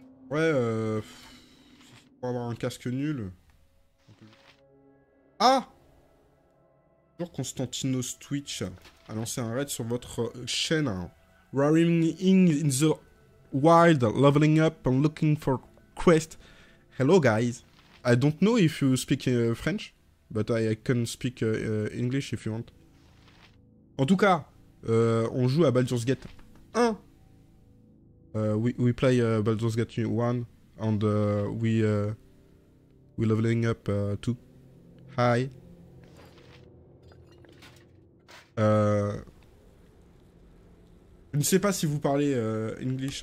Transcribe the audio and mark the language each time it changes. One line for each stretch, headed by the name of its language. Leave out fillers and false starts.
French: Ouais, pour avoir un casque nul. Ah! Bonjour Constantinos Twitch a lancé un raid sur votre chaîne.
English: Roaring in the wild, leveling up and looking for quest. Hello guys. I don't know if you speak French, but I can speak English if you want.
French: En tout cas, on joue à Baldur's Gate 1.
English: We play Baldur's Gate 1 and we leveling up 2. Hi.
French: Je ne sais pas si vous parlez English.